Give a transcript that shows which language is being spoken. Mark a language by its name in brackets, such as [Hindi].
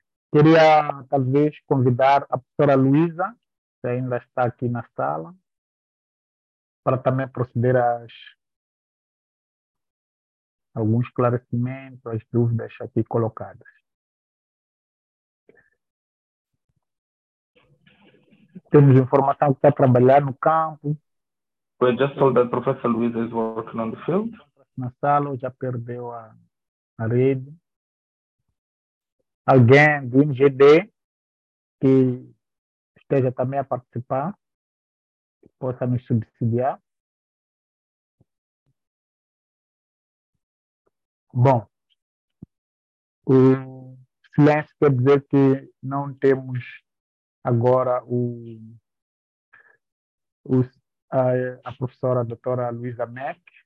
[Portuguese] Queria, talvez, convidar a professora Luísa, que ainda está aqui na sala, para também proceder às... alguns esclarecimentos, as dúvidas aqui colocadas. Temos informação que está a trabalhar no campo. [English] We just told that Professor Luiz is working on the field. [Portuguese] Na sala, já perdeu a rede. Alguém do NGD que esteja também a participar, que possa nos subsidiar. Bom, o silêncio quer dizer que não temos agora a professora doutora Luísa Mac.